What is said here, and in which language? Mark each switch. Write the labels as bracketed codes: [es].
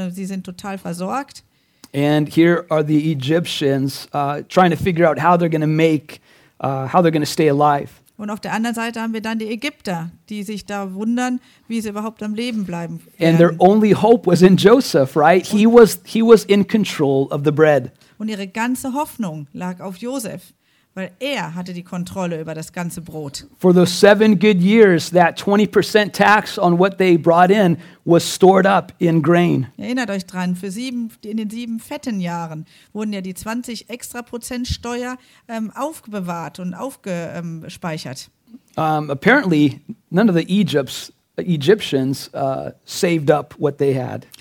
[de] Sie sind total versorgt. [en] And here are the Egyptians trying to figure out how they're going to make, how they're going to stay alive. [de] Und auf der anderen Seite haben wir dann die Ägypter, die sich da wundern, wie sie überhaupt am Leben bleiben werden. [en] And their only hope was in Joseph, right? He was in control of the bread. [de] Und ihre ganze Hoffnung lag auf Joseph, weil er hatte die Kontrolle über das ganze Brot. [en] For those 7 good years, that 20% tax on what they brought in was stored up in grain. [de] Erinnert euch dran, in den sieben fetten Jahren wurden ja die 20 extra Prozent Steuer aufbewahrt und aufgespeichert. [en] Apparently, none of the Egyptians saved up what they had.